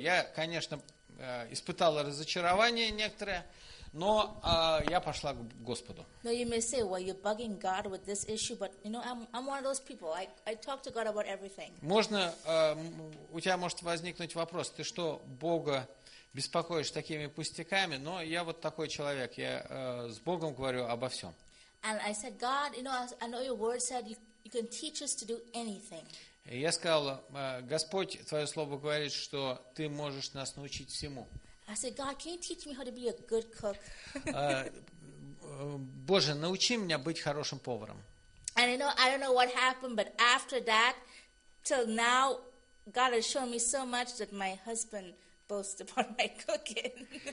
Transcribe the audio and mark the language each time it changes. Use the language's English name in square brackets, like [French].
[Russian] Я, конечно, испытала разочарование некоторое. Но я пошла к Господу. [English] No, you may say, well, you're bugging God with this issue, but you know, I'm one of those people. I talk to God about everything. [Russian] Можно у тебя может возникнуть вопрос, ты что Бога беспокоишь такими пустяками? Но я вот такой человек, я с Богом говорю обо всем. [English] And I said, God, you know, I know your word said you can teach us to do anything. [Russian] Я сказал, Господь, твое слово говорит, что ты можешь нас научить всему. [English] I said, God, can you teach me how to be a good cook? [Russian] Боже, научи меня быть хорошим поваром. [English] And you know, I don't know what happened, but after that, till now, God has shown me so much that my husband boasts about my cooking.